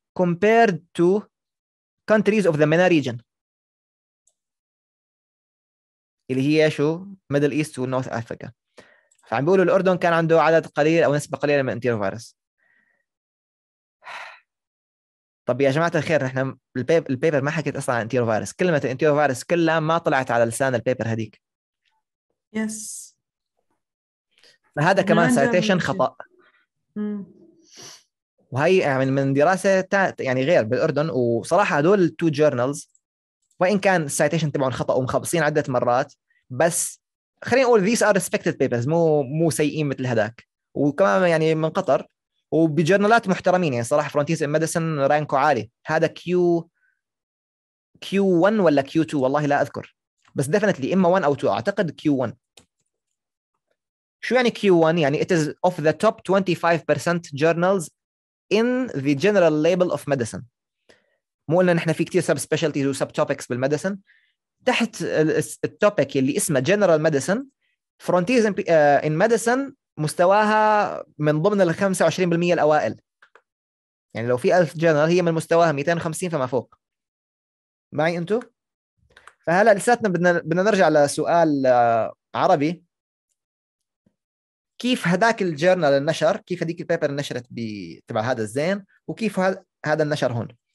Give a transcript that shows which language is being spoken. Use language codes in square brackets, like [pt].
[en] compared to countries of the MENA region. [ar] اللي هي شو؟ Middle East و North Africa. فعم بيقولوا الأردن كان عنده عدد قليل أو نسبة قليلة من انتيرو فيروس. طب يا جماعة الخير، احنا البيبر ما حكيت أصلا عن انتيرو فيروس، كلمة انتيرو فيروس كلها ما طلعت على لسان البيبر هديك. [en] Yes. [ar] فهذا كمان citation خطأ. وهي يعني من دراسة يعني غير بالأردن، وصراحة هدول [en] two journals [ar] وإن كان citation تبعون خطأ ومخبصين عدة مرات، بس خلينا نقول [en] these are respected papers، [ar] مو سيئين مثل هداك، وكمان يعني من قطر وبجورنالات محترمين يعني صراحة. Frontiers in Medicine رانكو عالي، هذا Q1 ولا Q2 والله لا أذكر، بس definitely إما 1 أو 2 أعتقد Q1. شو يعني Q1؟ يعني [en] it is of the top 25% journals in the general label of medicine. [ar] مو قلنا نحن في كتير subspecialties و subtopics بالmedicine، تحت التوبيك اللي اسمه general medicine Frontiers in Medicine مستواها من ضمن ال 25% الأوائل. يعني لو في 1000 جنرال هي من مستواها 250 فما فوق. معي أنتو؟ فهلا لساتنا بدنا نرجع لسؤال عربي، كيف هداك الجورنال النشر، كيف هديك البيبر نشرت تبع هذا الزين، وكيف هذا النشر هون.